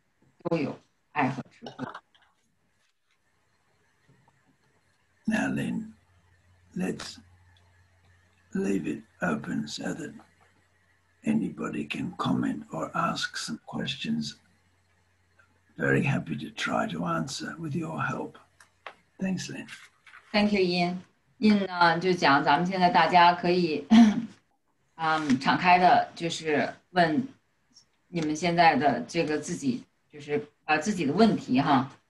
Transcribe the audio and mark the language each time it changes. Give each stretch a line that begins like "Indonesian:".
Chinese: 万有是借着他造的，凡被造的没有一样不是借着他造的。这实际上就是我们在学习的这个中心意思，就是神的爱和智慧创造了一切，所有被创造的这一切里边都有爱和智慧。
English: Now then, let's leave it open so that anybody can comment or ask some questions. Very happy to try to answer with your help. Thanks, Lynn. Thank you, Yin.
Chinese: Yin就讲咱们现在大家可以敞开的就是问你们现在的这个自己就是把自己的问题哈。